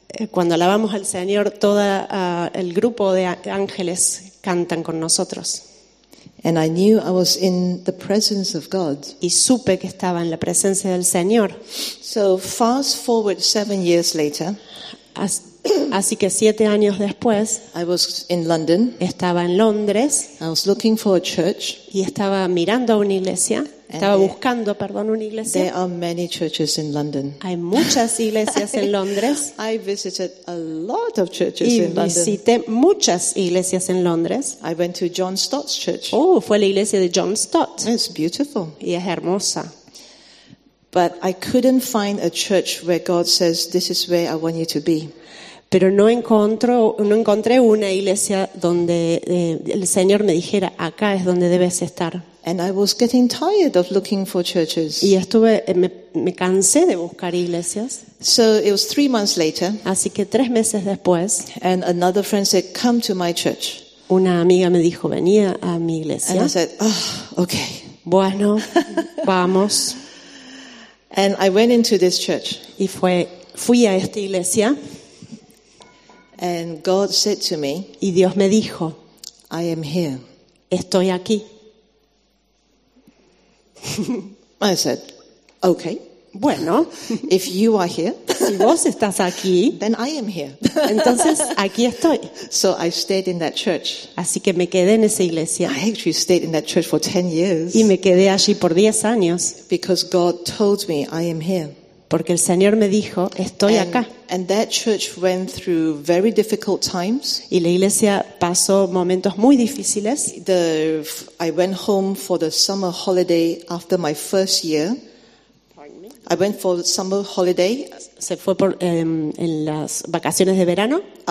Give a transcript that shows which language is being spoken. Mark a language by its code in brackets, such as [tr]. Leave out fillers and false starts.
[es] Cuando alabamos al Señor, toda el grupo de ángeles cantan con nosotros. [en] And I knew I was in the presence of God. [es] Y supe que estaba en la presencia del Señor. [en] So fast forward 7 years later. [es] Así que 7 años después, [en] I was in London, [es] estaba en Londres, [en] I was looking for a church, [es] y estaba mirando a una iglesia, estaba buscando una iglesia. [en] There are many churches in London. [es] Hay muchas iglesias en Londres. [en] I visited a lot of churches in London. [es] Y visité muchas iglesias en Londres. [en] I went to John Stott's church. [es] Oh, fue la iglesia de John Stott. [en] It's beautiful. [es] Y es hermosa. [en] But I couldn't find a church where God says, "This is where I want you to be." [es] Pero no encontré una iglesia donde el Señor me dijera, acá es donde debes estar. [en] And I was getting tired of looking for churches. [es] Y me cansé de buscar iglesias. [en] So it was 3 months later. [es] Así que 3 meses después. [en] And another friend said, "Come to my church." [es] Una amiga me dijo, venía a mi iglesia. [en] And I said, "Oh, okay." [es] Bueno, vamos. [en] And I went into this church. [es] Y fui a esta iglesia. [en] And God said to me, [es] y Dios me dijo, [en] "I am here." [es] Estoy aquí. [en] I said, "Okay." [es] Bueno, [en] if you are here, [es] si vos estás aquí, [en] then I am here. [es] Entonces aquí estoy. [en] So I stayed in that church. [es] Así que me quedé en esa iglesia. [en] I actually stayed in that church for 10 years. [es] Y me quedé allí por 10 años. [en] Because God told me I am here. [es] Porque el Señor me dijo, estoy acá. [en] And that church went through very difficult times. [es] Y la iglesia pasó momentos muy difíciles. [en] I went home for the summer holiday after my first year. I went for summer holiday. [es] Se fue por en las vacaciones de verano.